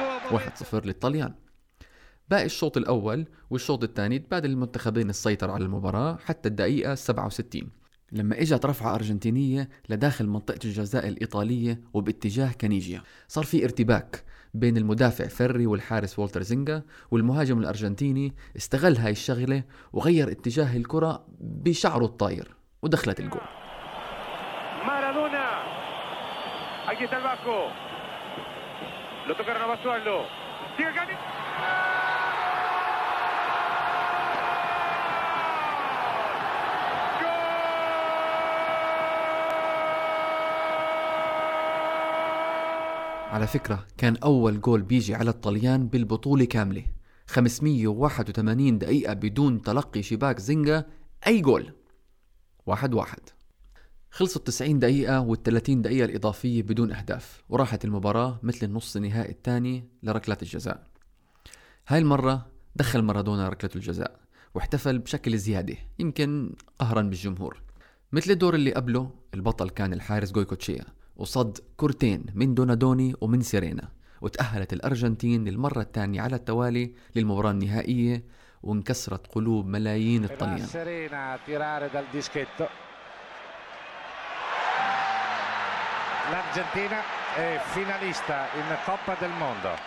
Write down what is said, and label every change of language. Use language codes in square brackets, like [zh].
[ar] واحد صفر للطليان. باقي الشوط الأول والشوط الثاني تبادل المنتخبين السيطرة على المباراة حتى الدقيقة 67 لما إجت رفعة أرجنتينية لداخل منطقة الجزاء الإيطالية وباتجاه كانيجيا. صار في ارتباك بين المدافع فري والحارس والتر زينجا، والمهاجم الأرجنتيني استغل هاي الشغلة وغير اتجاه الكرة بشعره الطاير ودخلت الجول. [es] مارادونا aquí está el vasco lo tocaron a Basualdo sigue Gani ¡Gol! [ar] على فكرة كان أول جول بيجي على الطليان بالبطولة كاملة، 581 دقيقة بدون تلقي شباك زينجا أي جول. 1-1. خلصت 90 دقيقة وال30 دقيقة الإضافية بدون أهداف وراحت المباراة مثل النص النهائي الثاني لركلات الجزاء. هاي المرة دخل مارادونا ركلة الجزاء واحتفل بشكل زيادة، يمكن قهرا بالجمهور. مثل الدور اللي قبله، البطل كان الحارس جويكوتشيا وصد كورتين من دونادوني ومن سيرينا، وتأهلت الأرجنتين للمرة الثانية على التوالي للمباراة النهائية، وانكسرت قلوب ملايين الطليان. [it] سيرينا تيراري دال ديسكيتو l'Argentina è finalista in Coppa del Mondo.